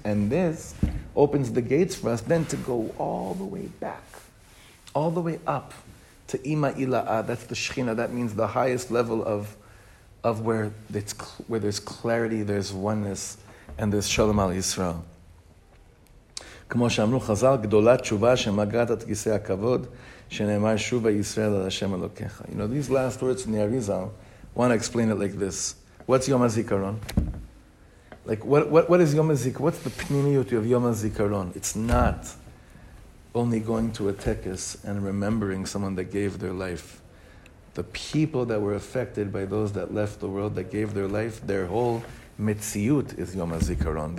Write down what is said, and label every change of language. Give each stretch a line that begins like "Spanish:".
English: And this opens the gates for us then to go all the way back, all the way up to ima ila'a. That's the shechina. That means the highest level of where it's where there's clarity, there's oneness, and there's shalom al Yisrael.
Hebrew: כמו שאמרו חזל, גדולה תשובה שמגעת את כיסא הכבוד, שנאמר שוב הישראל על השם אלוקיך.
English: You know, these last words in the Arizal, I want to explain it like this. What's Yom Hazikaron? Like, what is Yom Hazikaron? What's the pnimiyuti of Yom Hazikaron? It's not only going to a tekes and remembering someone that gave their life. The people that were affected by those that left the world, that gave their life, their whole metziyut is Yom Hazikaron.